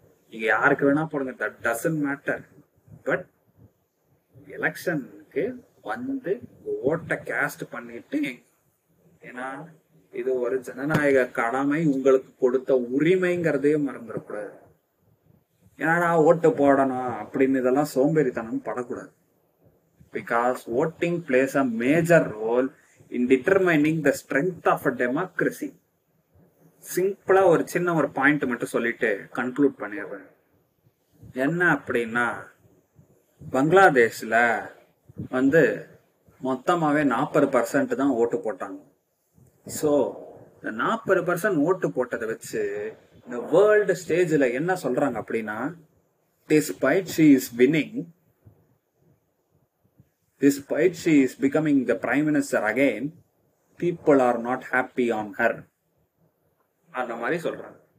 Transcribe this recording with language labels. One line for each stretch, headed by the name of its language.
Tamil: நீங்க யாருக்கு வேணா போடுங்க,
English: that doesn't matter,
Tamil: பட் எலெக்ஷனுக்கு வந்து ஓட்ட கேஸ்ட் பண்ணிட்டு, ஏன்னா இது ஒரு ஜனநாயக கடமை, உங்களுக்கு கொடுத்த உரிமைங்கிறதே மறந்துடக்கூடாது. ஏன்னா ஓட்டு போடணும் அப்படின்னு இதெல்லாம் சோம்பேறித்தனம் படக்கூடாது.
English: Because voting plays a major role in determining the strength of a democracy.
Tamil: Simple-ஆ ஒரு சின்ன ஒரு பாயிண்ட் மட்டும் சொல்லிட்டு கன்க்ளூட் பண்ணிடுறேன். என்ன அப்படின்னா, பங்களாதேஷில் வந்து மொத்தமாகவே 40% தான் ஓட்டு போட்டாங்க. ஸோ இந்த 40% ஓட்டு போட்டதை வச்சு இந்த வேர்ல்டு ஸ்டேஜில் என்ன சொல்கிறாங்க அப்படின்னா,
English: Despite she is winning, Despite she is becoming the prime minister again, people are not happy on her.
Tamil: அந்த மாதிரி சொல்றாங்க.